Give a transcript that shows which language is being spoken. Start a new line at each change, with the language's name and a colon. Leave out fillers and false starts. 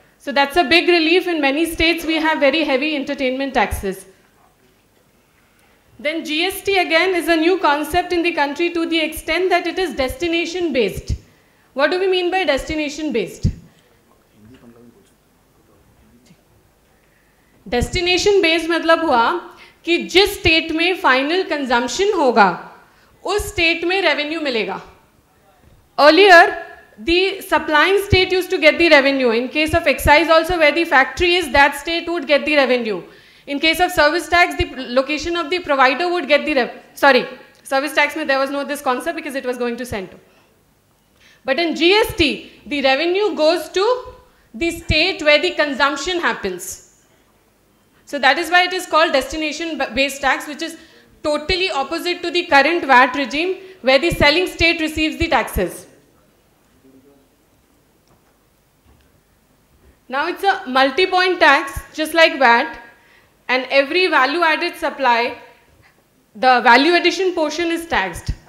English: So that's a big relief. In many states, we have very heavy entertainment taxes. Then GST again is a new concept in the country to the extent that it is destination based. What do we mean by destination based?
Hindi: Destination based मतलब हुआ कि जिस state में final consumption होगा उस state में revenue मिलेगा.
English: Earlier the supplying state use to get the revenue. In case of excise also where the factory is that state would get the revenue. In case of service tax the location of the provider would get the sorry service tax में there was no this concept because it was going to centre. But in GST the revenue goes to the state where the consumption happens. So that is why it is called destination-based tax, which is totally opposite to the current VAT regime, where the selling state receives the taxes. Now it's a multi-point tax, just like VAT, and every value-added supply, the value addition portion is taxed.